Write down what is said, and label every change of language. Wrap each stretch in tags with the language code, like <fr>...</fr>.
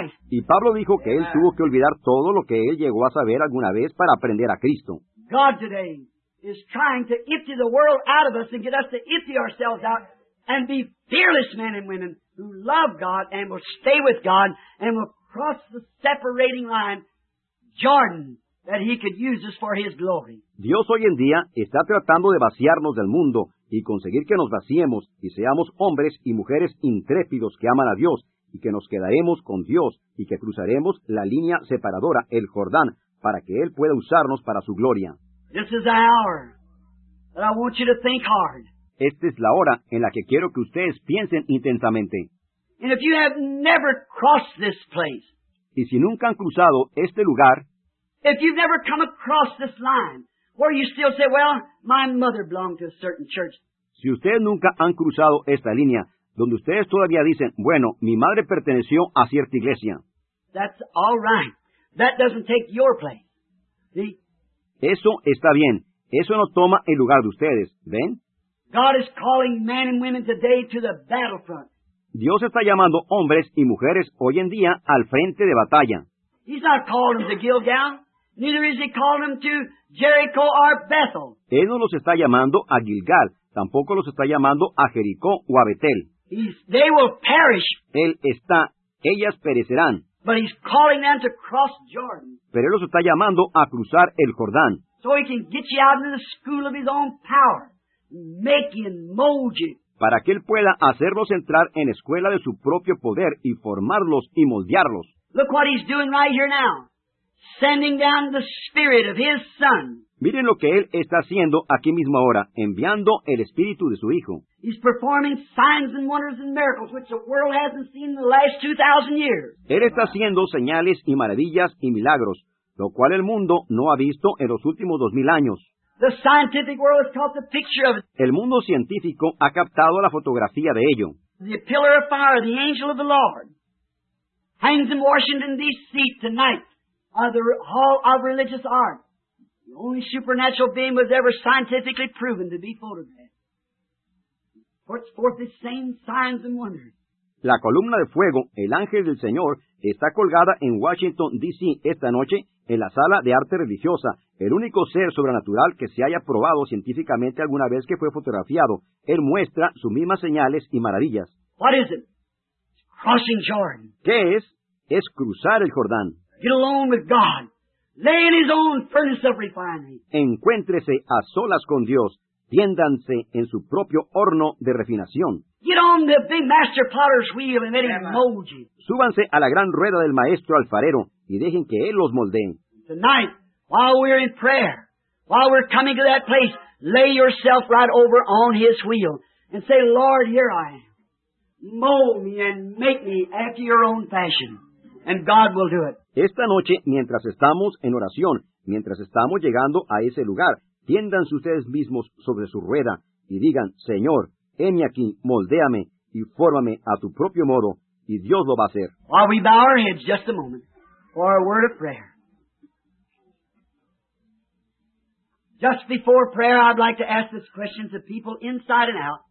<es>Y Pablo dijo que él tuvo que olvidar todo lo que él llegó a saber alguna vez para aprender a Cristo.</es> <en>God today is trying to empty the world out of us and get us to empty ourselves out and be fearless men and women who love God and will stay with God and will cross the separating line, Jordan, that he could use us for his glory.</en> <es>Dios hoy en día está tratando de vaciarnos del mundo y conseguir que nos vaciemos y seamos hombres y mujeres intrépidos que aman a Dios y que nos quedaremos con Dios y que cruzaremos la línea separadora, el Jordán, para que él pueda usarnos para su gloria.</es> <en>This is the hour that I want you to think hard.</en> <es>Esta es la hora en la que quiero que ustedes piensen intensamente.</es> <en>And if you have never crossed this place,</en> <es>y si nunca han cruzado este lugar,</es> <en>if you've never come across this line, where you still say, well, my mother belonged to a certain church.</en> <es>Si ustedes nunca han cruzado esta línea, donde ustedes todavía dicen, bueno, mi madre perteneció a cierta iglesia.</es> <en>That's all right. That doesn't take your place. See?</en> <es>Eso está bien. Eso no toma el lugar de ustedes. ¿Ven?</es> <en>God is calling men and women today to the battlefront.</en> <es>Dios está llamando hombres y mujeres hoy en día al frente de batalla.</es> <en>He's not calling them to Gilgal. Neither is he calling them to Jericho or Bethel.</en> <es>Él no los está llamando a Gilgal. Tampoco los está llamando a Jericó o a Betel.</es> <en>They will perish.</en> <es>Él está. Ellas perecerán.</es> <en>But he's calling them to cross Jordan.</en> <es>Pero él los está llamando a cruzar el Jordán.</es> <en>So he can get you out into the school of his own power. Make you and mold you.</en> <es>Para que él pueda hacerlos entrar en escuela de su propio poder y formarlos y moldearlos.</es> <en>Look what he's doing right here now. Sending down the spirit of his son.</en> <es>Miren lo que él está haciendo aquí mismo ahora, enviando el espíritu de su hijo.</es> <en>He's performing signs and wonders and miracles which the world hasn't seen in the last 2,000 years.</en> <es>Él está haciendo señales y maravillas y milagros, lo cual el mundo no ha visto en los últimos 2,000 años.</es> <en>The scientific world has caught the picture of it.</en> <es>El mundo científico ha captado la fotografía de ello.</es> <en>The pillar of fire, the angel of the Lord, hangs in Washington D.C. tonight on the Hall of Religious Art. The only supernatural being was ever scientifically proven to be photographed. Puts forth the same signs and wonders.</en> <es>La columna de fuego, el ángel del Señor, está colgada en Washington D.C. esta noche en la sala de arte religiosa. El único ser sobrenatural que se haya probado científicamente alguna vez que fue fotografiado, él muestra sus mismas señales y maravillas.</es> <en>What is it? Crossing Jordan.</en> <es>¿Qué es? Es cruzar el Jordán.</es> <en>Get alone with God. Lay in his own furnace of refinery.</en> <es>Encuéntrese a solas con Dios. Tiéndanse en su propio horno de refinación.</es> <en>Get on the big master potter's wheel and let him mold you.</en> <es>Súbanse a la gran rueda del maestro alfarero y dejen que él los moldee.</es> <en>Tonight, while we're in prayer, while we're coming to that place, lay yourself right over on his wheel and say, Lord, here I am. Mold me and make me after your own fashion. And God will do it.</en> <es>Esta noche, mientras estamos en oración, mientras estamos llegando a ese lugar, tiéndanse ustedes mismos sobre su rueda y digan, Señor, heme aquí, moldéame y fórmame a tu propio modo, y Dios lo va a hacer.</es> <en>While we bow our heads just a moment for a word of prayer. Just before prayer, I'd like to ask this question to people inside and out.</en>